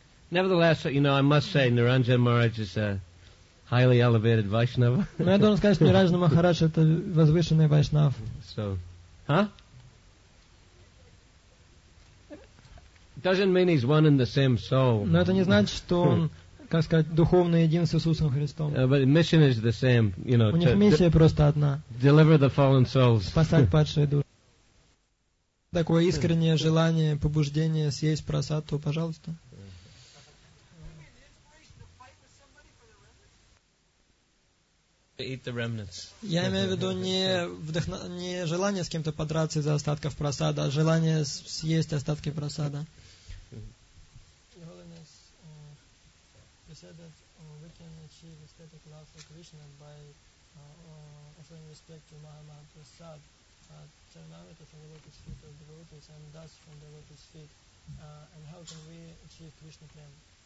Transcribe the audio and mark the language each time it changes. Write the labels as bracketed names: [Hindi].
[English] Nevertheless, you know, I must say, Niranjan Maharaj is a highly elevated Vaishnava. [Russian] Но я должен сказать, что Ниранджан Махарадж это возвышенный Вайшнав. [English] So, huh? Doesn't mean he's one and the same soul. [Russian] Но это не значит, что он, как сказать, духовно един с Иисусом Христом. [English] But mission is the same, you know. [Russian] У них миссия просто одна. [English] Deliver the fallen souls. [Russian] Спасать падшие души. Такое искреннее желание, побуждение съесть просад, то, пожалуйста. [English] Eat the remnants. [Russian] Я имею в виду не желание с кем-то подраться за остатков просада, а желание съесть остатки просада. [English] Your Holiness, you said that we can achieve aesthetic love for Krishna by offering respect to Mahamahaprasad termometer from the lotus feet of devotees and dust from the lotus feet. And how can we achieve Krishna prema?